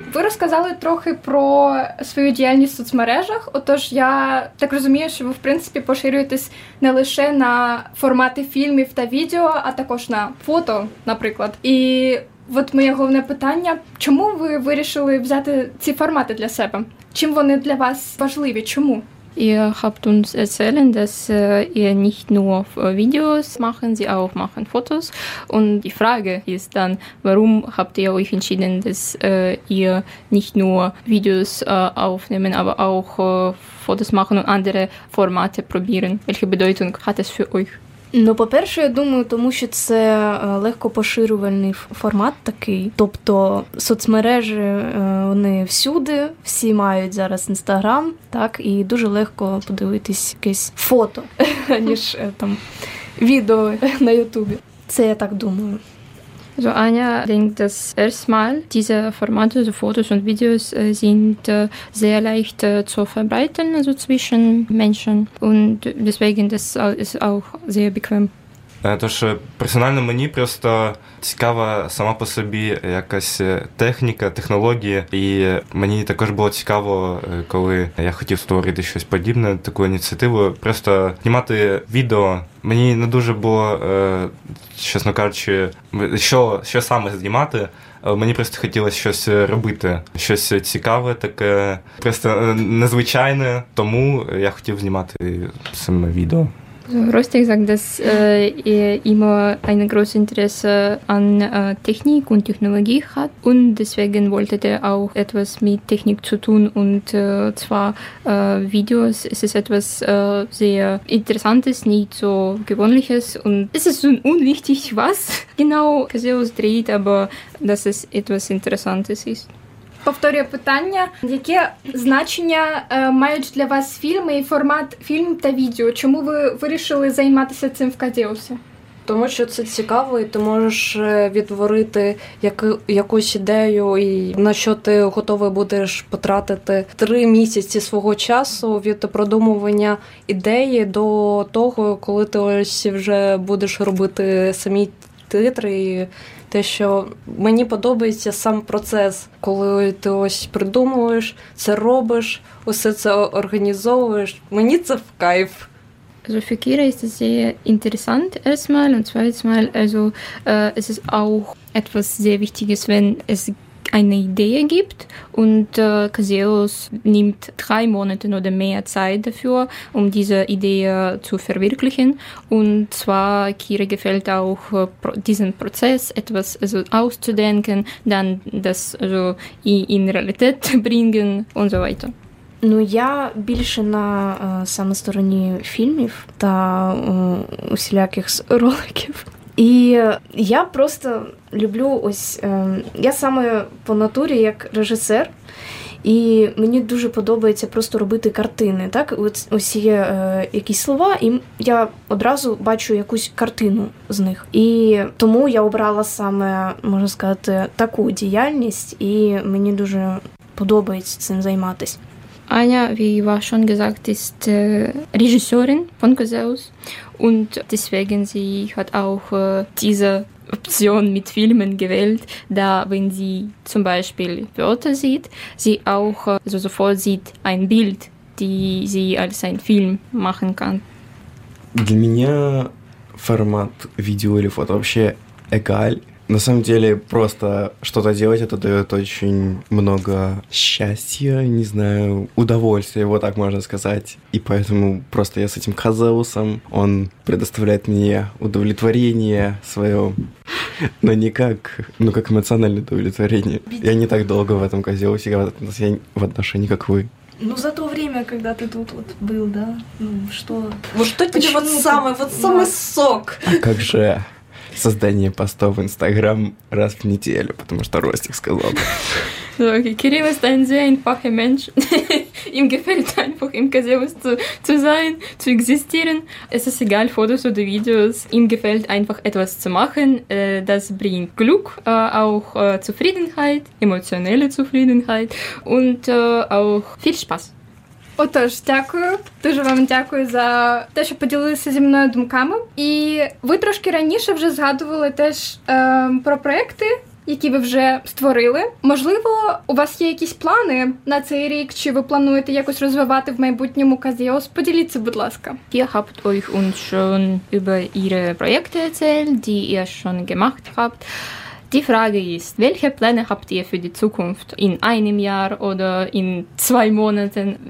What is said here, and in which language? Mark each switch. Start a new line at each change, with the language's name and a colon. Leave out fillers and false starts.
Ukrainian: Сказали трохи про свою діяльність в соцмережах, отож я так розумію, що ви, в принципі, поширюєтесь не лише на формати фільмів та відео, а також на фото, наприклад. І от моє головне питання, чому ви вирішили взяти ці формати для себе? Чим вони для вас важливі? Чому?
German: Ihr habt uns erzählt, dass ihr nicht nur Videos machen, sie auch machen Fotos. Und die Frage ist dann, warum habt ihr euch entschieden, dass ihr nicht nur Videos aufnehmen, aber auch Fotos machen und andere Formate probieren? Welche Bedeutung hat es für euch?
Ukrainian: Ну, по-перше, я думаю, тому що це легко поширювальний формат такий. Тобто соцмережі, вони всюди, всі мають зараз Інстаграм, так, і дуже легко подивитись якесь фото, ніж там відео на Ютубі. Це я так думаю.
German: So, Anja denkt, dass erstmal diese Formate, so Fotos und Videos, sind sehr leicht zu verbreiten, also zwischen Menschen. Und deswegen das ist auch sehr bequem.
Ukrainian: Тож, персонально мені просто цікава сама по собі якась техніка, технології. І мені також було цікаво, коли я хотів створити щось подібне, таку ініціативу, просто знімати відео. Мені не дуже було, чесно кажучи, що саме знімати. Мені просто хотілося щось робити, щось цікаве таке, просто незвичайне. Тому я хотів знімати саме відео.
German: So, Rostek sagt, dass er immer ein großes Interesse an Technik und Technologie hat und deswegen wollte er auch etwas mit Technik zu tun und zwar Videos. Es ist etwas sehr Interessantes, nicht so Gewöhnliches und es ist so unwichtig, was genau Caseus dreht, aber dass es etwas Interessantes ist.
Ukrainian: Повторюю питання. Яке значення мають для вас фільми і формат фільм та відео? Чому ви вирішили займатися цим в Кадеусі? Тому що це цікаво, і ти можеш відтворити якусь ідею, і на що ти готовий будеш потратити 3 місяці свого часу від продумування ідеї до того, коли ти ось вже будеш робити самі титри і... Те, що мені подобається сам процес, коли ти ось придумуєш, це робиш, усе це організовуєш. Мені це в кайф.
German: Also für Kira ist es sehr interessant erstmal und zweites Mal, also es ist auch etwas sehr Wichtiges, wenn es eine Idee gibt und Caseus nimmt 3 Monate oder mehr Zeit dafür, um diese Idee zu verwirklichen. Und zwar, Kira gefällt auch diesen Prozess, etwas also, auszudenken, dann das also, in Realität bringen und so weiter.
Ukrainian: Ну, я більше на саме стороні фільмів та усіляких роликів. І я просто люблю ось, я саме по натурі як режисер, і мені дуже подобається просто робити картини, так? Ось є якісь слова, і я одразу бачу якусь картину з них. І тому я обрала саме, можна сказати, таку діяльність, і мені дуже подобається цим займатися.
German: Anja, wie war schon gesagt, ist Regisseurin von Caseus und deswegen sie hat auch diese Option mit Filmen gewählt, da wenn sie zum Beispiel Wörter sieht, sie auch also sofort sieht ein Bild, die sie als ein Film machen kann.
Russian: Для меня формат видео или фото вообще
German: Эгаль.
Russian: На самом деле, просто что-то делать, это дает очень много счастья, не знаю, удовольствия, вот так можно сказать. И поэтому просто я с этим Казеусом, он предоставляет мне удовлетворение свое, но не как, ну, как эмоциональное удовлетворение. Я не так долго в этом Казеусе, я в отношении, как вы. Ну, за то время, когда ты тут вот был, да? Ну, что? Вот что тебе вот самый сок? А как же... Создание постов в Инстаграм раз в неделю, потому что Ростик сказал.
German: Кирилл ist ein sehr einfacher Mensch. Ihm gefällt einfach im Casillas zu sein, zu existieren. Es ist egal, Fotos oder Videos. Ihm gefällt einfach etwas zu machen. Das bringt Glück, auch Zufriedenheit, emotionelle Zufriedenheit und auch viel Spaß.
Ukrainian: Отож, дякую. Дуже вам дякую за те, що поділилися зі мною думками. І ви трошки раніше вже згадували теж про проєкти, які ви вже створили. Можливо, у вас є якісь плани на цей рік, чи ви плануєте якось розвивати в майбутньому Казеос? Поділіться, будь ласка.
German: Ihr habt euch uns schon über ihre Projekte erzählt, die ihr schon gemacht habt. Die Frage ist, welche Pläne habt ihr für die Zukunft in einem Jahr oder in zwei Monaten?